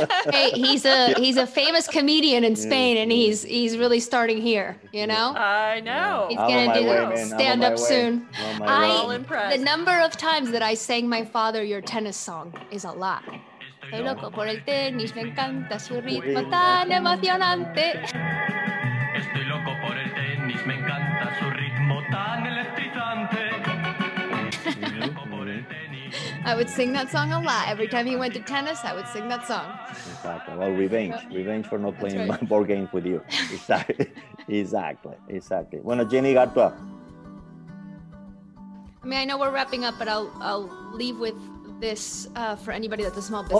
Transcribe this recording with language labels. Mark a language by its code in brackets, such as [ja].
[en] Hey, he's a famous comedian in Spain, and he's really starting here. You know. I know. He's gonna do stand up soon. I'm all impressed. The number of times that I sang my father your tennis song is a lot. [es] Estoy loco por el tenis, me encanta su ritmo tan emocionante. Estoy loco por el tenis, me encanta su ritmo tan electrizante. [en] I would sing that song a lot. Every time he went to tennis, I would sing that song. Exactly. Well, revenge. Revenge for not playing right. Board games with you. Exactly. Exactly. Exactly. Bueno, Jenny Gartua. I mean, I know we're wrapping up, but I'll leave with this for anybody that's a small business.